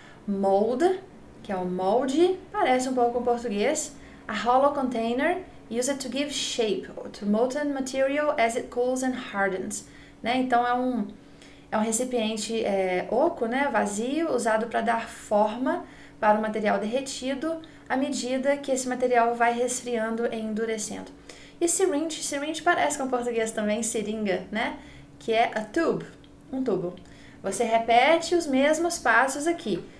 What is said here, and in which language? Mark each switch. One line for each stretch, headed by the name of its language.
Portuguese: Mold, que é o molde, parece um pouco com português.
English: A hollow container. Use it to give shape to molten material as it cools and hardens.
Portuguese: Né? Então, é um recipiente oco, né? Vazio, usado para dar forma para o material derretido à medida que esse material vai resfriando e endurecendo. E syringe, syringe parece com português também, seringa, né? Que é
English: a tube,
Portuguese: um tubo. Você repete os mesmos passos aqui.